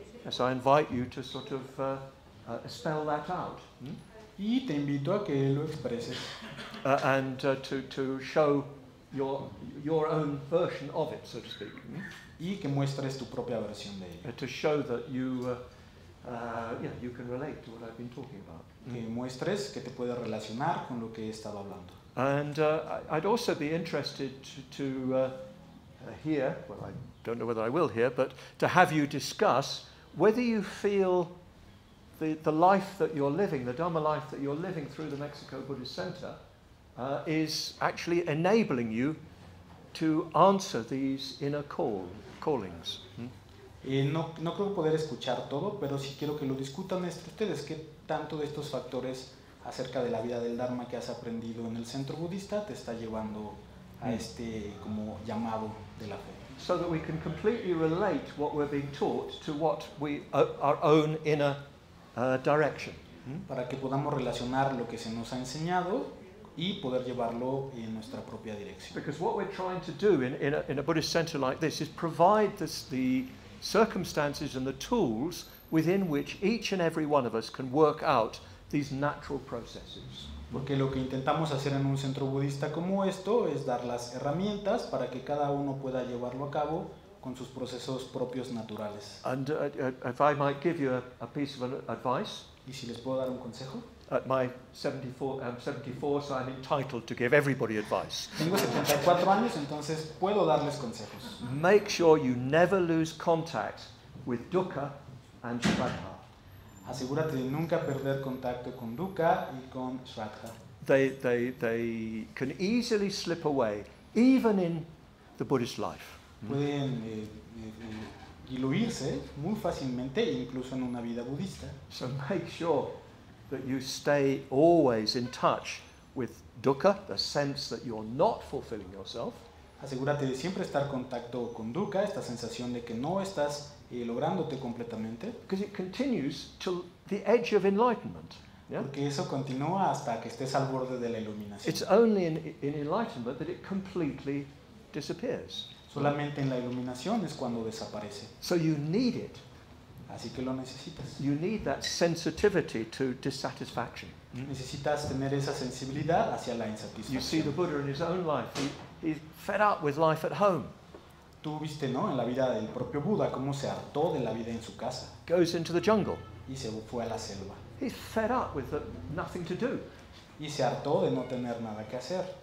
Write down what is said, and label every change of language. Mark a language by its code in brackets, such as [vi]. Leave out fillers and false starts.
[en] So I invite you to sort of spell that out. [es] Y te invito a que lo expreses. [en] To show your own version of it, so to speak. [es] Y que muestres tu propia versión de ello. [en] To show that you can relate to what I've been talking about. [es] Que muestres que te puedes relacionar con lo que he estado hablando. [en] And I'd also be interested to hear, well, I don't know whether I will hear, but to have you discuss whether you feel the life that you're living, the Dharma life that you're living through the Mexico Buddhist Center, is actually enabling you to answer these inner callings. [es] No creo poder escuchar todo, pero sí quiero que lo discutan entre ustedes, que tanto de estos factores acerca de la vida del Dharma que has aprendido en el centro budista te está llevando a este como llamado de la fe. [en] So that we can completely relate what we're being taught to what we our own inner direction. [es] Para que podamos relacionar lo que se nos ha enseñado y poder llevarlo en nuestra propia dirección. [en] Because what we're trying to do in a Buddhist center like this is provide the circumstances and the tools within which each and every one of us can work out these natural processes. [es] Porque lo que intentamos hacer en un centro budista como esto es dar las herramientas para que cada uno pueda llevarlo a cabo con sus procesos propios naturales. [en] And if I might give you a piece of advice. [es] ¿Y si les puedo dar un consejo? [en] At my 74, so I'm entitled to give everybody advice. [es] Tengo 74 años, entonces puedo darles consejos. [en] Make sure you never lose contact with dukkha and shraddha. [es] Asegúrate de nunca perder contacto con dukkha y con shraddha. [en] They can easily slip away, even in the Buddhist life. [es] Pueden diluirse muy fácilmente, incluso en una vida budista. [en] So make sure that you stay always in touch with dukkha, the sense that you're not fulfilling yourself. [es] Asegúrate de siempre estar en contacto con dukkha, esta sensación de que no estás lográndote completamente. [en] Because it continues till the edge of enlightenment. Yeah? [es] Porque eso continúa hasta que estés al borde de la iluminación. [en] It's only in enlightenment that it completely disappears. [es] Solamente en la iluminación es cuando desaparece. [en] So you need it. [es] Así que lo necesitas. [en] You need that sensitivity to dissatisfaction. [es] Necesitas tener esa sensibilidad hacia la insatisfacción. [en] You see the Buddha in his own life. He's fed up with life at home. [es] Tú viste, ¿no?, en la vida del propio Buda cómo se hartó de la vida en su casa. [en] Goes into the jungle. [es] Y se fue a la selva. [en] He's fed up with nothing to do. [es] Y se hartó de no tener nada que hacer.